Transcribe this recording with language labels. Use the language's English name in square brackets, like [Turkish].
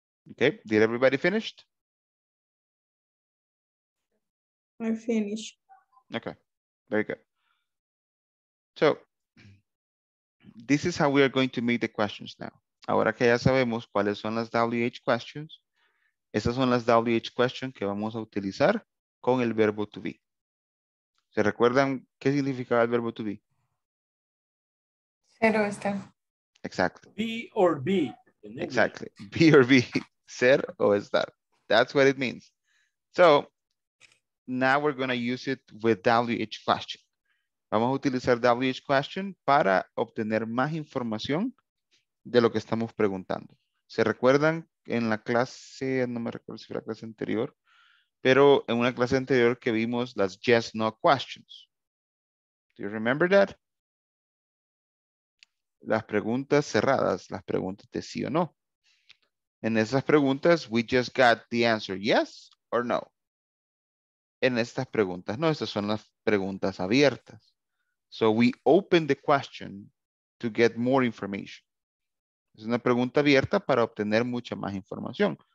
[English] Okay, did everybody finished? I finished. Okay, very good. So, this is how we are going to make the questions now. [Spanish] Ahora que ya sabemos cuáles son las WH questions, esas son las WH questions que vamos a utilizar con el verbo to be. ¿Se recuerdan qué significaba el verbo to be? Ser o estar. [English] Exactly. Be or be. Exactly. Be or be. [Spanish] Ser o estar. [English] That's what it means. So, now we're going to use it with WH question. [Spanish] Vamos a utilizar WH question para obtener más información de lo que estamos preguntando. ¿Se recuerdan en la clase, no me recuerdo si fue la clase anterior, pero en una clase anterior que vimos las yes, no questions? [English] Do you remember that? [Spanish] Las preguntas cerradas, las preguntas de sí o no. En esas preguntas, [English] we just got the answer yes or no. [Spanish] En estas preguntas, no, estas son las preguntas abiertas. [English] So we open the question to get more information. [Spanish] Es una pregunta abierta para obtener mucha más información.